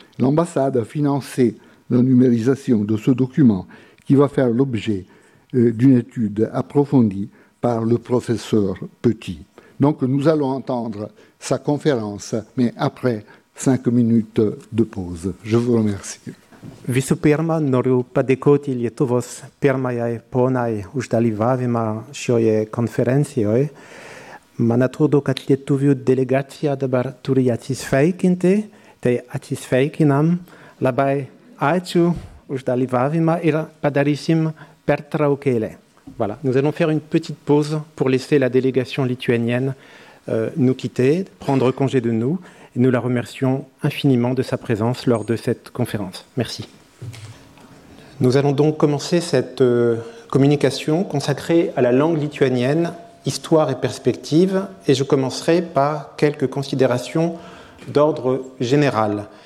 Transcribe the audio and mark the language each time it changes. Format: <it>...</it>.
<fr>L'ambassade a financé la numérisation de ce document qui va faire l'objet d'une étude approfondie par le professeur Petit. Donc nous allons entendre sa conférence, mais après 5 minutes de pause. Je vous remercie.</fr> <lt>Visu pirma, noriu padėkoti Lietuvos pirmajai ponai už dalyvavimą šioje konferencijoje. Man atrodo, kad Lietuvių delegacija dabar turi atsisveikinti, tai atsisveikinam. Labai ačiū už dalyvavimą ir padarysim pertraukėlę.</lt> <fr>Voilà, nous allons faire une petite pause pour laisser la délégation lituanienne nous quitter, prendre congé de nous. Et nous la remercions infiniment de sa présence lors de cette conférence. Merci. Nous allons donc commencer cette communication consacrée à la langue lituanienne, histoire et perspective, et je commencerai par quelques considérations d'ordre général.</fr>